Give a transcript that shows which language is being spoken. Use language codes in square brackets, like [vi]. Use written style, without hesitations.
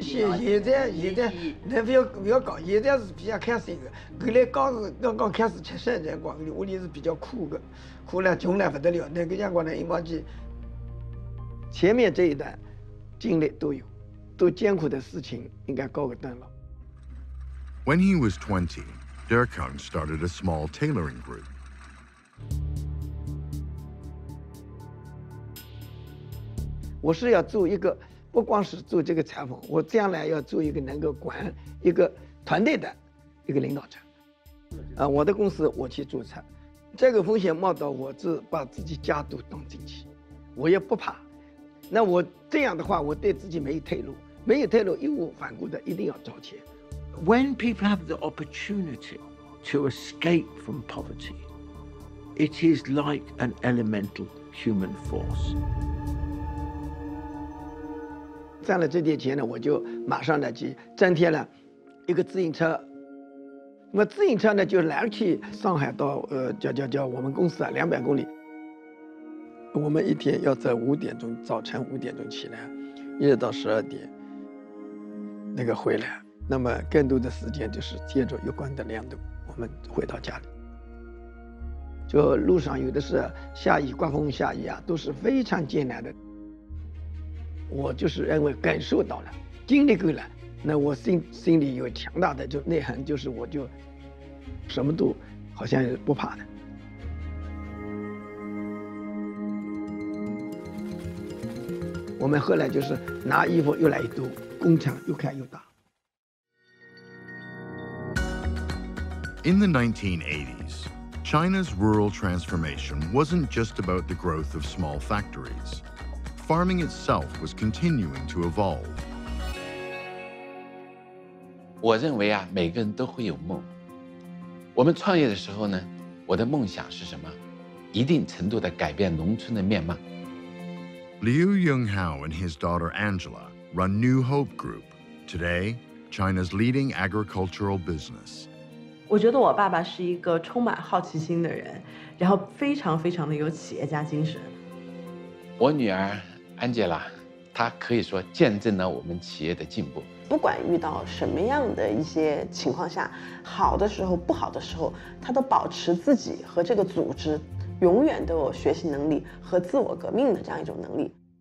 [zh] 现在，那不要讲，现在是比较开心的。后来刚刚开始吃生产光，屋里是比较苦的，苦了穷了不得了。那个阳光呢，一毛钱。前面这一段经历都有，都艰苦的事情应该告个段落。 [en] When he was 20, Derkung started a small tailoring group. I want to make a, not only to make this tailoring, I want to make a leader of a team. My company, I go to make it. This risk is taken to make myself become a member. I am not afraid. If I do this, I will not have a path to the top. No path to the top, I will not have a path to the top. When people have the opportunity to escape from poverty, it is like an elemental human force. [zh] 赚了这点钱呢，我就马上呢去增添了一个自行车。我自行车呢就来去上海到叫我们公司啊200公里。我们一天要在早晨五点钟起来，一直到12点那个回来。那么更多的时间就是借着月光的亮度，我们回到家里。就路上有的是下雨，刮风下雨啊，都是非常艰难的。我就是认为感受到了，经历过了，那我心里有强大的就内涵，就是我就什么都好像不怕的。我们后来就是拿衣服越来越多，工厂又开又大。 [en] In the 1980s, China's rural transformation wasn't just about the growth of small factories. Farming itself was continuing to evolve. [zh] 我认为啊，每个人都会有梦。我们创业的时候呢，我的梦想是什么？一定程度地改变农村的面貌。 [en] Liu Yonghao and his daughter Angela run New Hope Group, today China's leading agricultural business. [zh] 我觉得我爸爸是一个充满好奇心的人，然后非常非常的有企业家精神。我女儿安杰拉，她可以说见证了我们企业的进步。不管遇到什么样的一些情况下，好的时候、不好的时候，她都保持自己和这个组织永远都有学习能力和自我革命的这样一种能力。